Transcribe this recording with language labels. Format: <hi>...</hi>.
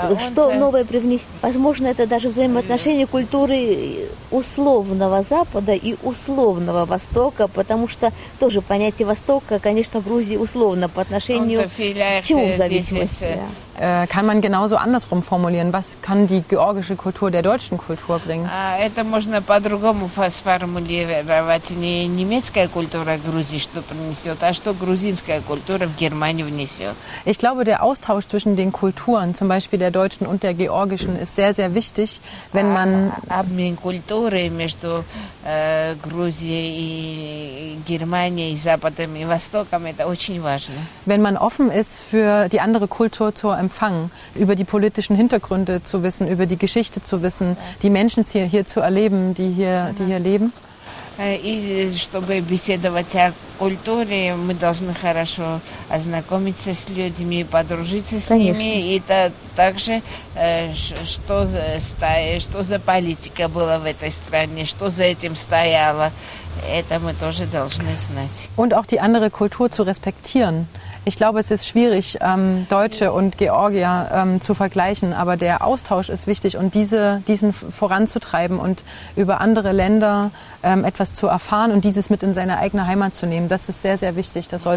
<ru>Вот что новое привнести? Возможно, это даже взаимоотношение культуры условного Запада и условного Востока, потому что тоже понятие Востока, конечно, в Грузии условно по отношению к чему в зависимости.</ru> <de>Kann man genauso andersrum formulieren? Was kann die georgische Kultur der deutschen Kultur bringen?</de> <ru>Это можно по-другому сформулировать. Не немецкая культура Грузии что принесет, а что грузинская культура в Германию внесет.</ru> <de>Ich glaube, der Austausch zwischen den Kulturen, zum Beispiel der deutschen und der georgischen, ist sehr, sehr wichtig, wenn man...</de> <ru>Обмен культуры между Грузией и Германией, Западом и Востоком, это очень важно.</ru> <de>Wenn man offen ist für die andere Kultur zu empfangen, über die politischen Hintergründe zu wissen, über die Geschichte zu wissen, die Menschen hier zu erleben, die hier leben.</de> <ru>И чтобы беседовать о культуре, мы должны хорошо ознакомиться с людьми, подружиться с ними. И также, что за политика была в этой стране, что за этим стояло, это мы тоже должны знать.</ru> <de>Und auch die andere Kultur zu respektieren. Ich glaube, es ist schwierig, Deutsche und Georgier zu vergleichen, aber der Austausch ist wichtig und diesen voranzutreiben und über andere Länder etwas zu erfahren und dieses mit in seine eigene Heimat zu nehmen, das ist sehr, sehr wichtig.</de>